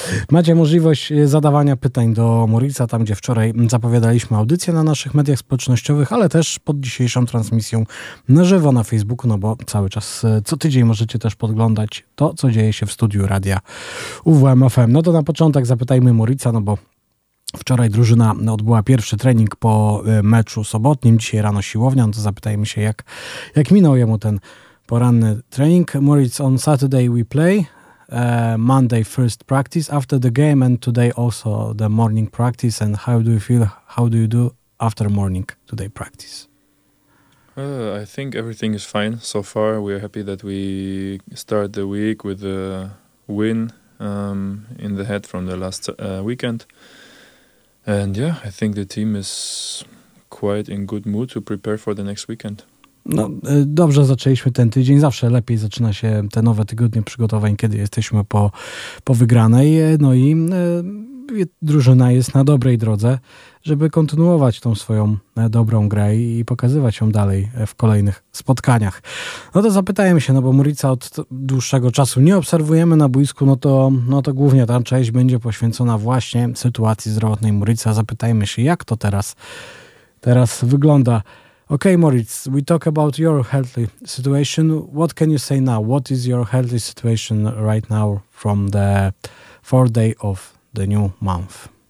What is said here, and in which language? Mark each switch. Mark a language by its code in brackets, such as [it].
[pl] Macie możliwość zadawania pytań do Moritza, tam gdzie wczoraj zapowiadaliśmy audycję na naszych mediach społecznościowych, ale też pod dzisiejszą transmisją na żywo na Facebooku, no bo cały czas, co tydzień możecie też podglądać to, co dzieje się w studiu radia UWM-FM. No to na początek zapytajmy Moritza, no bo wczoraj drużyna odbyła pierwszy trening po meczu sobotnim, dzisiaj rano siłownia, no to zapytajmy się, jak minął jemu ten poranny trening. [en] Moritz, on Saturday we play. Monday first practice after the game and today also the morning practice. And how do you feel? How do you do after morning today practice? I think everything is fine so far. We are happy that we start the week with a win in the head from the last weekend. And yeah, I think the team is quite in good mood to prepare for the next weekend. [pl] No, dobrze zaczęliśmy ten tydzień. Zawsze lepiej zaczyna się te nowe tygodnie przygotowań, kiedy jesteśmy po wygranej. No i drużyna jest na dobrej drodze, żeby kontynuować tą swoją dobrą grę i pokazywać ją dalej w kolejnych spotkaniach. No to zapytałem się, no bo Moritza od dłuższego czasu nie obserwujemy na boisku, no to głównie ta część będzie poświęcona właśnie sytuacji zdrowotnej Moritza. Zapytajmy się, jak to teraz wygląda. [en] Okay, Moritz, we talk about your healthy situation. What can you say now? What is your healthy situation right now from the fourth day of the new month?